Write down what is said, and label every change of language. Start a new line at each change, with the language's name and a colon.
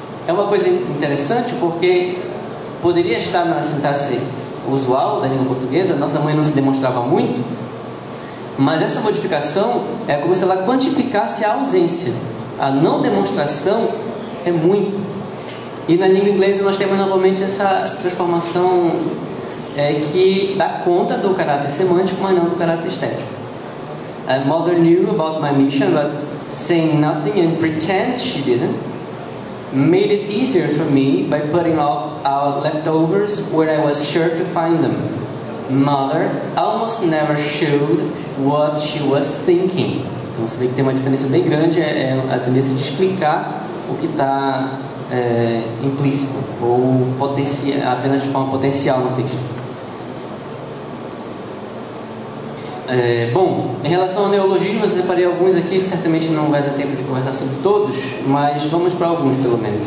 Portuguese: É uma coisa interessante porque poderia estar na sintaxe usual da língua portuguesa, nossa mãe não se demonstrava muito, mas essa modificação é como se ela quantificasse a ausência. A não demonstração é muito. E na língua inglesa nós temos novamente essa transformação que dá conta do caráter semântico, mas não do caráter estético.
English: A mother knew about my mission, but saying nothing and pretend she didn't made it easier for me by putting off out leftovers where I was sure to find them. Mother almost never showed what she was thinking.
Portuguese: Então você vê que tem uma diferença bem grande, é a tendência de explicar o que está implícito ou apenas de forma potencial no texto. Bom, em relação ao neologismo, eu separei alguns aqui, certamente não vai dar tempo de conversar sobre todos, mas vamos para alguns, pelo menos.